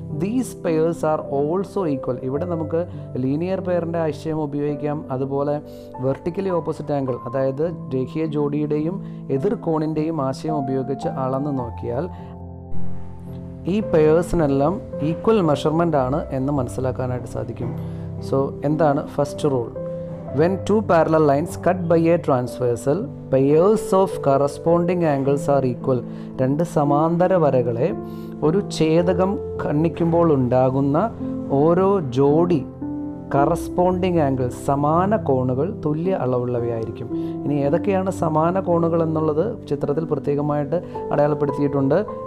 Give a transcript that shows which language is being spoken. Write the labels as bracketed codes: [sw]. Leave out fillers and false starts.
[en] These pairs are also equal. [ml] ഇവിടെ നമുക്ക് linear പെയറിൻ്റെ ആശയം ഉപയോഗിക്കാം, അതുപോലെ വെർട്ടിക്കലി ഓപ്പോസിറ്റ് ആംഗിൾ, അതായത് രേഖീയ ജോഡിയുടെയും എതിർ കോണിൻ്റെയും ആശയം ഉപയോഗിച്ച് അളന്ന് നോക്കിയാൽ ഈ പെയേഴ്സിനെല്ലാം ഈക്വൽ മെഷർമെൻ്റ് ആണ് എന്ന് മനസ്സിലാക്കാനായിട്ട് സാധിക്കും. സോ എന്താണ് first rule? [en] When two parallel lines cut by a transversal, pairs of corresponding angles are equal. [ml] രണ്ട് സമാന്തര വരകളെ ഒരു ഛേദകം കണ്ണിക്കുമ്പോൾ ഉണ്ടാകുന്ന ഓരോ ജോഡി കറസ്പോണ്ടിങ് ആംഗിൾസ്, സമാന കോണുകൾ തുല്യ അളവുള്ളവയായിരിക്കും. ഇനി ഏതൊക്കെയാണ് സമാന കോണുകൾ എന്നുള്ളത് ചിത്രത്തിൽ പ്രത്യേകമായിട്ട് അടയാളപ്പെടുത്തിയിട്ടുണ്ട്.